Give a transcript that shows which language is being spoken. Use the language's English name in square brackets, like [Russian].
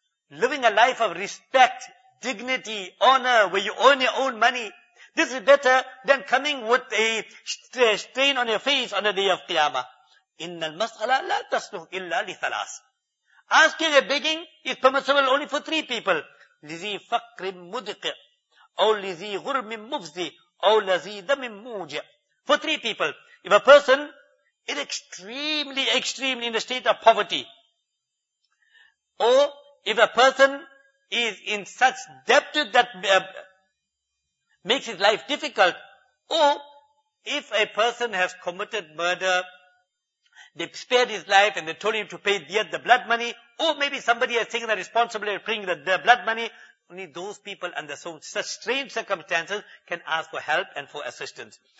[English] This, living a life of respect, dignity, honor, where you own your own money, this is better than coming with a strain on your face on the day of Qiyamah. [Arabic] إِنَّ الْمَسْأَلَةَ لَا تَصْلُحُ إِلَّا لِثَلَاثٍ. [English] Asking a begging is permissible only for three people. [Arabic] لِذِي فَقْرٍ مُدْقِعٍ أَوْ لِذِي غُرْمٍ مُفْزِي أَوْ لَذِي دَمٍ مُوجِعٍ. [English] For three people. If a person is extremely in a state of poverty, or if a person is in such debt that makes his life difficult, or if a person has committed murder, they spared his life and they told him to pay the blood money, or maybe somebody has taken the responsibility of paying the blood money, only those people under such strange circumstances can ask for help and for assistance.